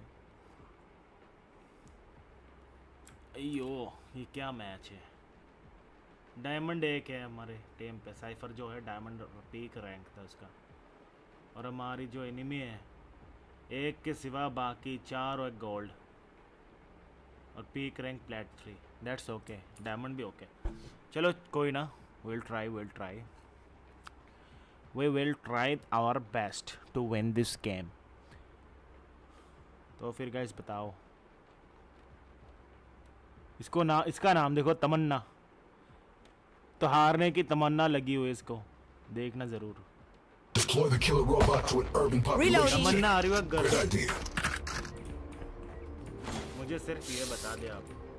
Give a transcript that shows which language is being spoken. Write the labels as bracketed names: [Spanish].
[Hindi] अयो ये क्या मैच है, डायमंड एक है हमारे टीम पे, साइफर जो है डायमंड पीक रैंक था उसका, और हमारी जो एनिमी है एक के सिवा बाकी चार और एक गोल्ड और peak rank plate three, [English] that's okay, [Hindi] diamond भी ओके। चलो कोई ना, [English] We will try our best to win this game. [Hindi] तो फिर गाइस बताओ, इसको ना, इसका नाम देखो तमन्ना, तो हारने की तमन्ना लगी हुई इसको, देखना जरूर। [English] Deploy the killer robot to an urban population. [Hindi] तमन्ना आ रही है घर, मुझे सिर्फ ये बता दे आप।